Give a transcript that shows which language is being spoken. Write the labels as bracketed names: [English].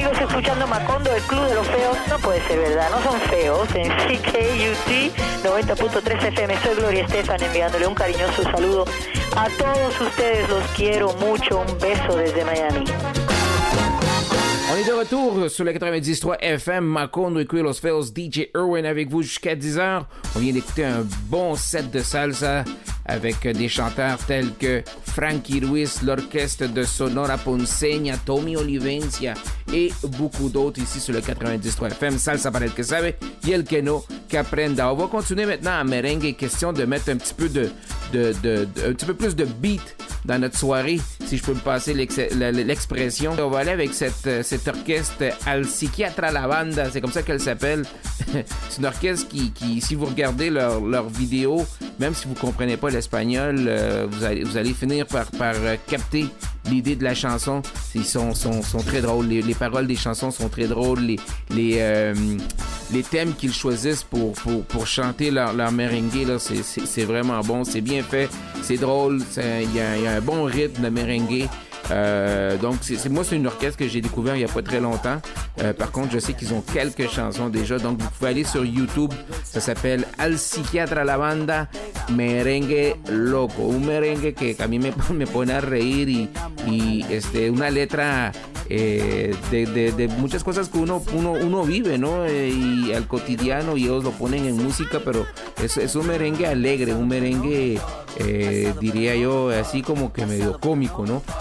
[Spanish] Escuchando Macondo, el club de los feos, no puede ser verdad, no son feos, en CKUT 90.3 FM, soy Gloria Estefan enviándole un cariñoso saludo a todos ustedes, los quiero mucho, un beso desde Miami. [French] On est de retour sur le 93 FM, Macondo et Queer Los Feos, DJ Irwin avec vous jusqu'à 10h. On vient d'écouter un bon set de salsa avec des chanteurs tels que Frankie Ruiz, l'orchestre de Sonora Ponceña, Tommy Olivencia et beaucoup d'autres ici sur le 93 FM. [Spanish] Salsa para el que sabe y el que no que aprenda. [French] On va continuer maintenant à merengue, question de mettre un petit peu un petit peu plus de beat dans notre soirée, si je peux me passer l'expression. On va aller avec cet orchestre Al Psiquiatra La Banda, c'est comme ça qu'elle s'appelle. C'est un orchestre qui, si vous regardez leur vidéo, même si vous ne comprenez pas l'espagnol, vous allez finir par capter l'idée de la chanson. Ils sont très drôles. Les paroles des chansons sont très drôles. Les thèmes qu'ils choisissent pour chanter leur merengue, là, c'est vraiment bon. C'est bien fait. C'est drôle. Il y a un bon rythme de merengue. Donc, c'est une orchestre que j'ai découvert il n'y a pas très longtemps. Par contre, je sais qu'ils ont quelques chansons déjà. Donc, vous pouvez aller sur YouTube. Ça s'appelle Al Psiquiatra La Banda Merengue Loco. [Spanish] Un merengue que a mí me pone a reír y una letra de muchas cosas que uno vive, ¿no? Y al cotidiano, y ellos lo ponen en música, pero es un merengue alegre, un merengue, diría yo, así como que medio cómico, ¿no?